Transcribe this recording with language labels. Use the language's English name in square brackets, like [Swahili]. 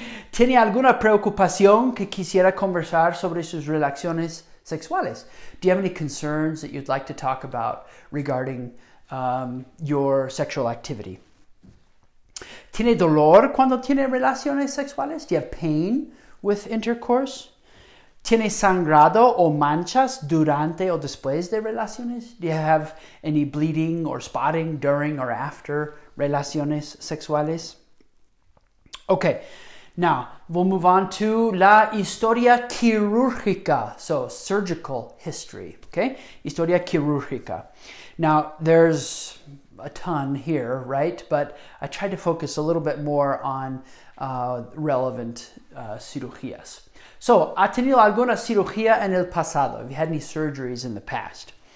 [Spanish] ¿Tiene alguna preocupación que quisiera conversar sobre sus relaciones sexuales? [English] Do you have any concerns that you'd like to talk about regarding your sexual activity? [Spanish] ¿Tiene dolor cuando tiene relaciones sexuales? [English] Do you have pain with intercourse? [Spanish] ¿Tiene sangrado o manchas durante o después de relaciones? [English] Do you have any bleeding or spotting during or after [Spanish] relaciones sexuales? [English] Okay, now we'll move on to [Spanish] la historia quirúrgica, [English] so surgical history, okay? [Spanish] Historia quirúrgica. [English] Now, there's a ton here, right? But I tried to focus a little bit more on relevant cirugías. [Spanish] So, ¿ha tenido alguna cirugía en el pasado? [English] Have you had any surgeries in the past?